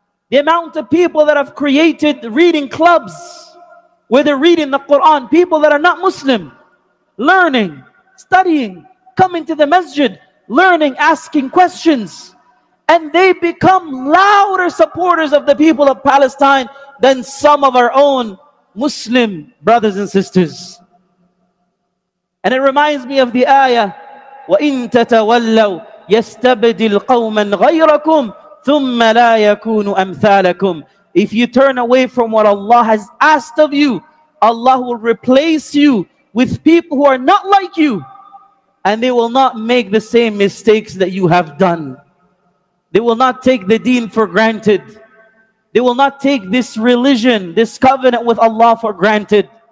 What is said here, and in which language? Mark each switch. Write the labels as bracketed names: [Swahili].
[English] The amount of people that have created reading clubs where they're reading the Quran, people that are not Muslim, learning, studying, coming to the masjid, learning, asking questions, and they become louder supporters of the people of Palestine than some of our own Muslim brothers and sisters. And it reminds me of the ayah, [Arabic] وَإِن تَتَوَلَّوْا يَسْتَبْدِلْ قَوْمًا غَيْرَكُمْ ثُمَّ لَا يَكُونُ أَمْثَالَكُمْ. [English] If you turn away from what Allah has asked of you, Allah will replace you with people who are not like you, and they will not make the same mistakes that you have done. They will not take the deen for granted. They will not take this religion, this covenant with Allah for granted.